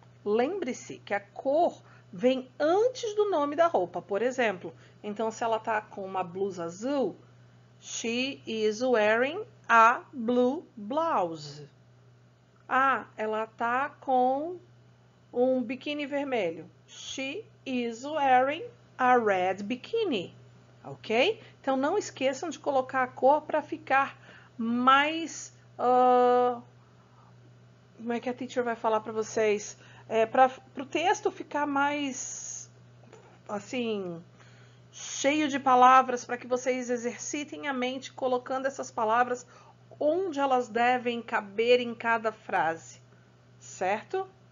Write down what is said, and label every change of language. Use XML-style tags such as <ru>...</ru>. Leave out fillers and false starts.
<pt>Lembre-se que a cor vem antes do nome da roupa, por exemplo. Então, se ela está com uma blusa azul,</pt> <en>she is wearing a blue blouse.</en> <pt>Ah, ela está com um biquíni vermelho.</pt> <en>She is wearing a red bikini. Ok?</en> <pt>Então, não esqueçam de colocar a cor para ficar mais... como é que a teacher vai falar para vocês... para o texto ficar mais, assim, cheio de palavras, para que vocês exercitem a mente colocando essas palavras onde elas devem caber em cada frase, certo?</pt>